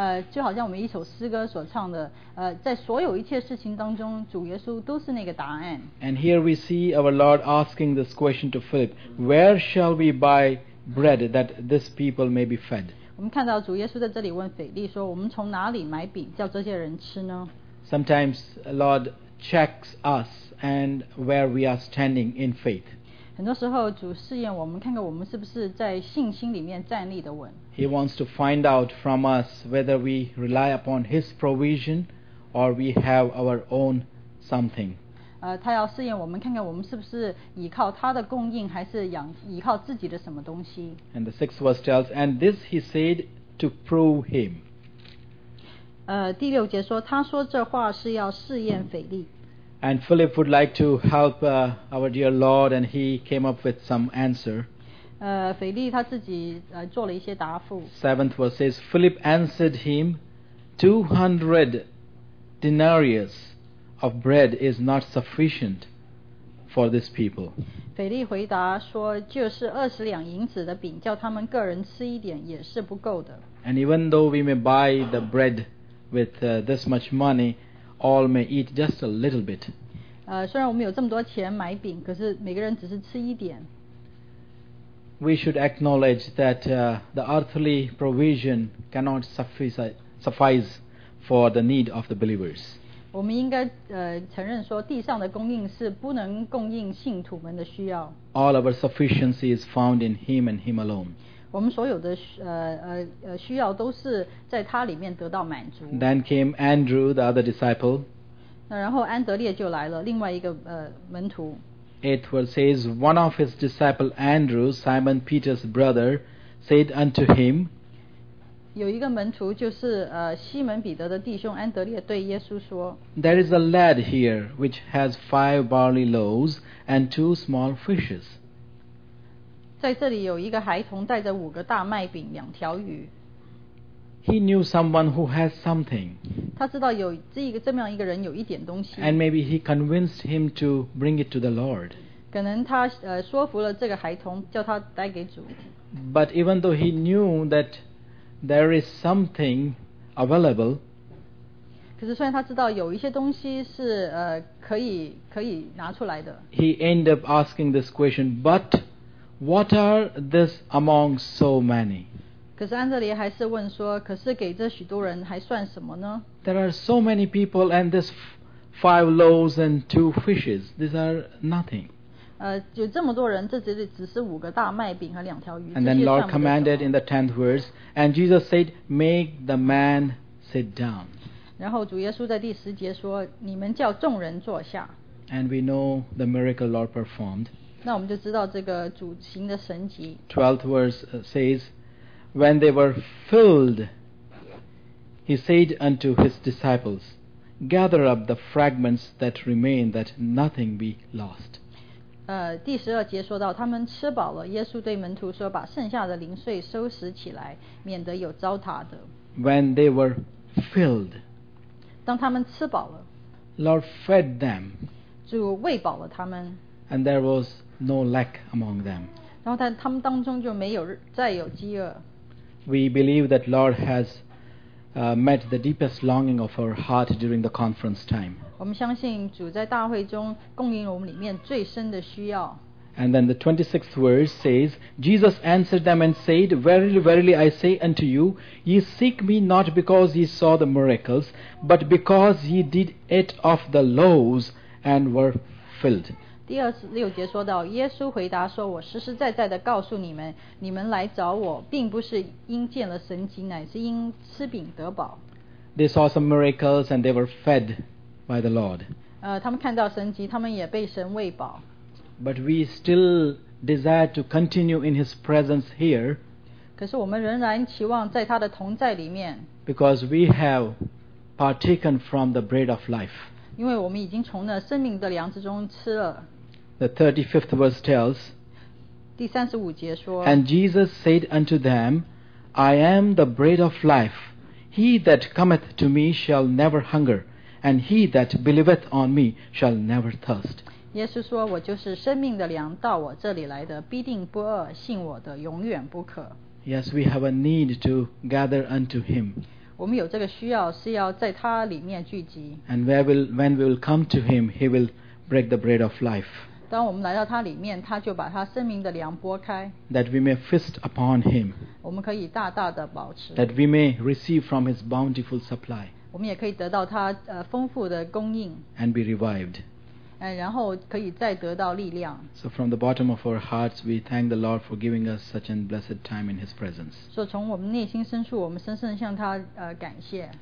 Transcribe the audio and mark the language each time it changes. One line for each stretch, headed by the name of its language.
Chinese: 就好像我们一首诗歌所唱的，在所有一切事情当中，主耶稣都是那个答案。
English: And here we see our Lord asking this question to Philip, Where shall we buy bread that this people may be fed?
Chinese: 我们看到主耶稣在这里问腓力说，我们从哪里买饼叫这些人吃呢？
English: Sometimes Lord checks us and where we are standing in faith.
Chinese: 很多时候主试验我们，看看我们是不是在信心里面站立的稳。
English: He wants to find out from us whether we rely upon his provision or we have our own something.
Chinese: 他要试验我们，看看我们是不是依靠他的供应，还是依靠自己的什么东西。
English: And the sixth verse tells, and this he said to prove him.
Chinese: 第六节说，他说这话是要试验腓力。
English: And Philip would like to help our dear Lord, and he came up with some answer.
Chinese: 腓力他自己做了一些答复。
English: Seventh verse says, Philip answered him, 200 denarii of bread is not sufficient for this people.
Chinese: 腓力回答说，就是20两银子的饼，叫他们个人吃一点也是不够的。
English: And even though we may buy the bread with this much money,All may eat just a little bit.
Chinese: 虽然我们有这么多钱买饼，可是每个人只是吃一点。
English: We should acknowledge that the earthly provision cannot suffice for the need of the believers.
Chinese: 我们应该承认说，地上的供应是不能供应信徒们的需要。
English: All our sufficiency is found in Him and Him alone.
Chinese: 我们所有的需要都是在他里面得到满足。
English: Then came Andrew, the other disciple.
Chinese: 那然后安德烈就来了，另外一个门徒。
English: It says one of his disciple Andrew, Simon Peter's brother, said unto him.
Chinese: 有一个门徒就是西门彼得的弟兄安德烈对耶稣说。
English: There is a lad here which has 5 barley loaves and 2 small fishes.
Chinese: 在这里有一个孩童带着五个大麦饼两条鱼。
English: He knew someone who has something.
Chinese: 他知道有这么样一个人有一点东西。
English: And maybe he convinced him to bring it to the Lord.
Chinese: 可能他说服了这个孩童叫他带给主。
English: But even though he knew that there is something available,
Chinese: 可是虽然他知道有一些东西是可以拿出来的。
English: He ended up asking this question, but what are this among so many?
Chinese: 可是安德烈还是问说，可是给这许多人还算什么呢？
English: There are so many people and this five loaves and two fishes. These are nothing.
Chinese: 有这么多人，这只是五个大麦饼和两条鱼。
English: And then Lord commanded in the 10th verse, and Jesus said, "Make the man sit down."
Chinese: 然后主耶稣在第十节说，你们叫众人坐下。
English: And we know the miracle Lord performed.
Chinese: 那我们就知道这个主行的神迹。
English: 12th verse says, "When they were filled, he said unto his disciples, 'Gather up the fragments that remain, that nothing be lost.'"
Chinese: 第十二节说到，他们吃饱了，耶稣对门徒说，把剩下的零碎收拾起来，免得有糟蹋的。
English: When they were filled,
Chinese: 当他们吃饱了，
English: Lord fed them,
Chinese: 主喂饱了他们，
English: and there was no lack among them.
Chinese: 然后他们当中就没有再有饥饿。
English: We believe that Lord has met the deepest longing of our heart during the conference time.
Chinese: 我们相信主在大会中供应了我们里面最深的需要。
English: And then the 26th verse says, Jesus answered them and said, Verily, verily, I say unto you, ye seek me not because ye saw the miracles, but because ye did eat of the loaves and were filled.
Chinese: 第二十六节说到，耶稣回答说，我实实在在的告诉你们，你们来找我，并不是因见了神迹，乃是因吃饼得饱。
English: They saw some miracles and they were fed. By the Lord.
Chinese: 他们看到神迹，他们也被神喂饱。
English: But we still desire to continue in His presence here.
Chinese: 可是我们仍然期望在他的同在里面。
English: Because we have partaken from the bread of life.
Chinese: 因为我们已经从那生命的粮之中吃了。
English: The 35th verse tells.
Chinese: 第三十五节说。
English: And Jesus said unto them, I am the bread of life. He that cometh to me shall never hunger. And he that believeth on me shall never thirst.
Chinese: 耶稣说，我就是生命的粮，到我这里来的必定不饿，信我的永远不渴。
English: Yes, we have a need to gather unto him.
Chinese: 我们有这个需要，是要在他里面聚集。
English: And when we will come to him, he will break the bread of life.
Chinese: 当我们来到他里面，他就把他生命的粮拨开。
English: That we may feast upon him.
Chinese: 我们可以大大的饱吃。
English: That we may receive from his bountiful supply.
Chinese: 我们也可以得到他丰富的供应
English: and be revived.
Chinese: 然后可以再得到力量。
English: So from the bottom of our hearts, we thank the Lord for giving us such a blessed time in His presence.
Chinese: 所以从我们内心深处，我们深深向他感谢。